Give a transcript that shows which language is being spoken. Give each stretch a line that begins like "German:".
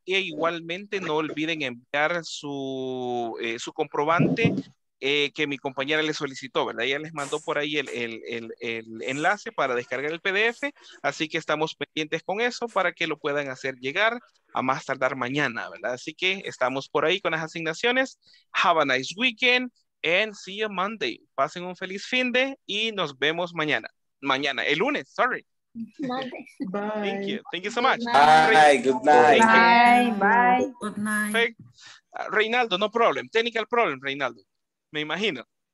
Spanish: E igualmente no olviden enviar su, su comprobante que mi compañera les solicitó, ¿verdad? Ella les mandó por ahí el enlace para descargar el PDF. Así que estamos pendientes con eso para que lo puedan hacer llegar a más tardar mañana, ¿verdad? Así que estamos por ahí con las asignaciones.
English: Have a nice weekend and see you Monday.
Spanish: Pasen un feliz fin de y nos vemos mañana. Mañana, el lunes, sorry.
English: Monday. Bye. Thank you so much. Bye. Good night. Bye. Bye. Good night. Reinaldo, no problem. Technical problem, Reinaldo.
Spanish: Me imagino.